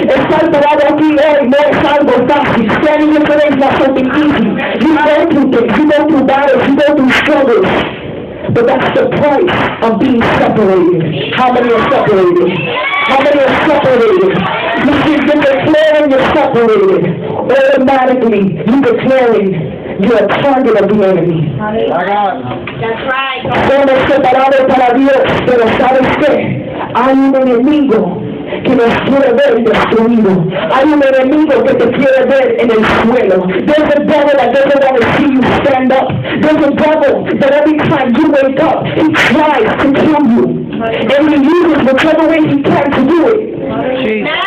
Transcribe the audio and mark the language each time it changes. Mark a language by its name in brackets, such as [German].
[Spanish] Estar parado aquí hoy no es algo fácil. [English] Standing in front of you is not something easy. You go through things, you go through battles, you go through struggles. But that's the price of being separated. How many are separated? How many are separated? You see, you're declaring you're separated. Automatically, you're declaring you're a target of the enemy. That's right. [Spanish] Somos separados para Dios, pero ¿sabes qué? Hay un enemigo que nos quiere ver destruido. Hay un enemigo que te quiere ver en el suelo. [English] There's a devil that doesn't want to see you stand up. There's a devil that every time you wake up, he tries to kill you. And he uses whichever way he can to do it.